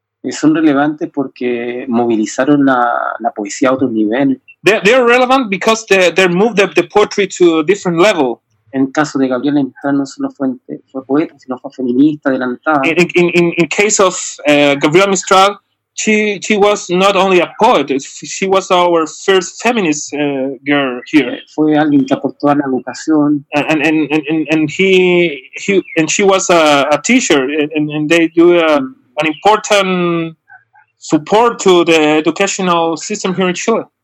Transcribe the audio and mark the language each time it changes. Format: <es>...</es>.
<es>Son relevantes porque movilizaron la poesía a otro nivel.</es> <en>They're relevant because they moved the poetry to a different level.</en> <es>En caso de Gabriela Mistral no solo fue poeta, sino fue feminista adelantada.</es> <en>In case of Gabriela Mistral, she was not only a poet, she was our first feminist girl here.</en> <es>Fue alguien que aportó a la educación.</es> <en>And she was a teacher, and they do an important support to the educational system here in Chile.</en>